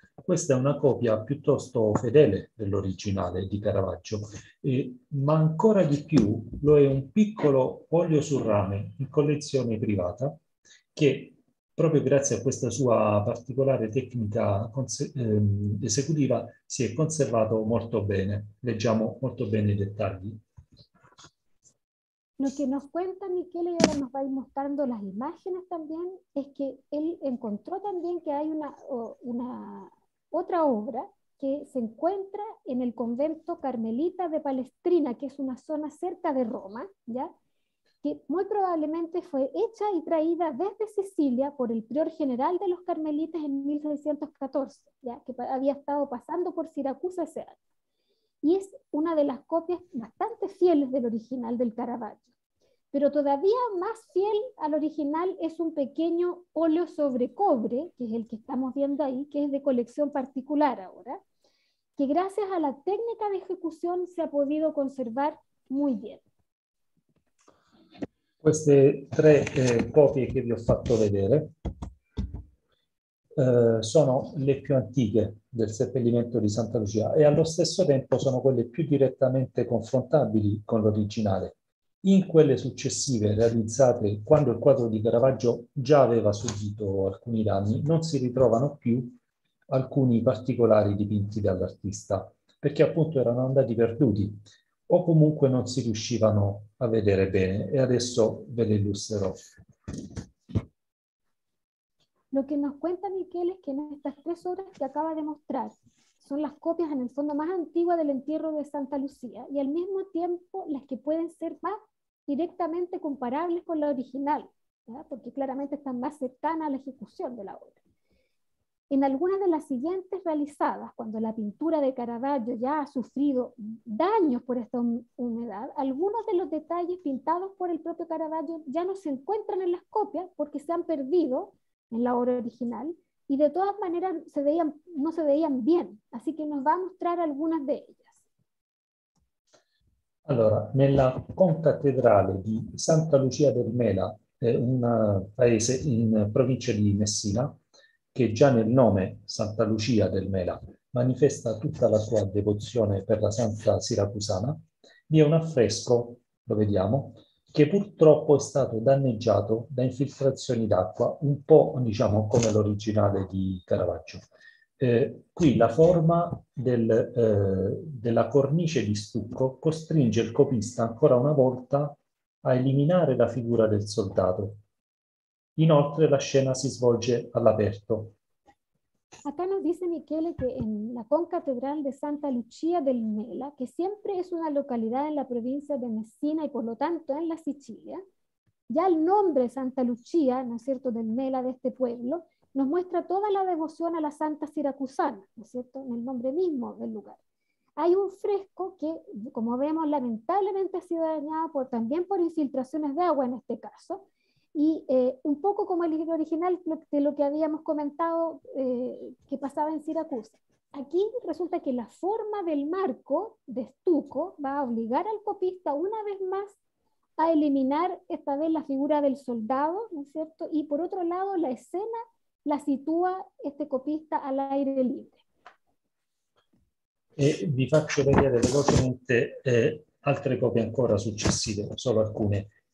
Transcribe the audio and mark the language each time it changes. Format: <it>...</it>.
<it>Questa è una copia piuttosto fedele dell'originale di Caravaggio, ma ancora di più lo è un piccolo olio sul rame in collezione privata che, proprio grazie a questa sua particolare tecnica esecutiva, si è conservato molto bene. Leggiamo molto bene i dettagli.</it> <es>Lo che nos cuenta Michele,</es> <it>e ora</it> <es>nos va mostrando las imágenes también, es que él encontró también que hay una otra obra que se encuentra en el convento Carmelita de Palestrina, que es una zona cerca de Roma, ¿ya? Que muy probablemente fue hecha y traída desde Sicilia por el prior general de los Carmelitas en 1614, ¿ya? Que había estado pasando por Siracusa ese año. Y es una de las copias bastante fieles del original del Caravaggio. Pero todavía más fiel al original es un pequeño óleo sobre cobre, que es el que estamos viendo ahí, que es de colección particular ahora, que gracias a la técnica de ejecución se ha podido conservar muy bien.</es> <it>Queste tre copie che vi ho fatto vedere sono le più antiche del seppellimento di Santa Lucia e allo stesso tempo sono quelle più direttamente confrontabili con l'originale. In quelle successive, realizzate quando il quadro di Caravaggio già aveva subito alcuni danni, non si ritrovano più alcuni particolari dipinti dall'artista, perché appunto erano andati perduti, o comunque non si riuscivano a vedere bene, e adesso ve le illustrerò.</it> <es>Lo che nos cuenta Michele</es> <it>è che in queste tre ore che</it> <es>acaba di mostrare, son las copias en el fondo más antiguas del entierro de Santa Lucía y al mismo tiempo las que pueden ser más directamente comparables con la original, ¿verdad? Porque claramente están más cercanas a la ejecución de la obra. En algunas de las siguientes realizadas, cuando la pintura de Caravaggio ya ha sufrido daños por esta humedad, algunos de los detalles pintados por el propio Caravaggio ya no se encuentran en las copias porque se han perdido en la obra original. Y de todas maneras no se veían bien, así que nos va a mostrar algunas de ellas.</es> <it>Allora, nella concattedrale di Santa Lucia del Mela, un paese in provincia di Messina, che già nel nome Santa Lucia del Mela manifesta tutta la sua devozione per la Santa Siracusana, vi è un affresco, lo vediamo, che purtroppo è stato danneggiato da infiltrazioni d'acqua, un po' diciamo come l'originale di Caravaggio. Qui la forma della cornice di stucco costringe il copista ancora una volta a eliminare la figura del soldato. Inoltre la scena si svolge all'aperto.</it> <es>Acá nos dice Michele que en la concatedral de Santa Lucia del Mela, que siempre es una localidad en la provincia de Messina y por lo tanto en la Sicilia, Ya el nombre Santa Lucía, ¿no es cierto?, del Mela, de este pueblo, nos muestra toda la devoción a la Santa Siracusana, ¿no es cierto?, en el nombre mismo del lugar. Hay un fresco que, como vemos, lamentablemente ha sido dañado por, también por infiltraciones de agua en este caso, y un poco como el original de lo que habíamos comentado que pasaba en Siracusa. Aquí resulta que la forma del marco de estuco va a obligar al copista una vez más a eliminar esta vez la figura del soldado, ¿no es cierto? Y por otro lado, la escena la sitúa este copista al aire libre.</es> <it>E vi faccio vedere velocemente altre copie ancora successive, solo alcune.</it>